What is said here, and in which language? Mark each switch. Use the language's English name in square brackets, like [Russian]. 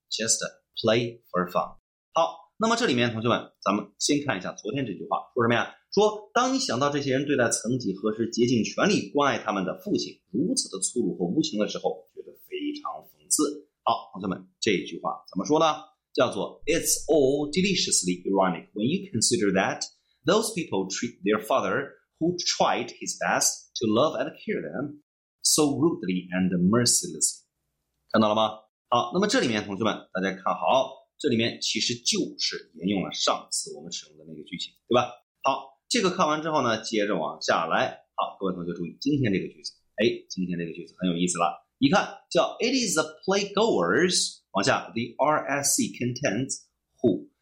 [English] Just play for fun。 [Chinese] 好，那么这里面同学们，咱们先看一下昨天这句话说什么呀。说当你想到这些人对待曾几何时竭尽全力关爱他们的父亲如此的粗鲁和无情的时候，觉得非常讽刺。好，同学们，这句话怎么说呢？叫做 [English] It's all deliciously ironic when you consider that those people treat their father who tried his best to love and care them so rudely and mercilessly. [Chinese] 看到了吗？好，那么这里面同学们大家看好，这里面其实就是沿用了上次我们使用的那个句型，对吧？好，这个看完之后呢，接着往下来。好，各位同学注意今天这个句子，哎，今天这个句子很有意思了。一看叫 [English] It is the playgoers, [Chinese] 往下 the RSC contents who。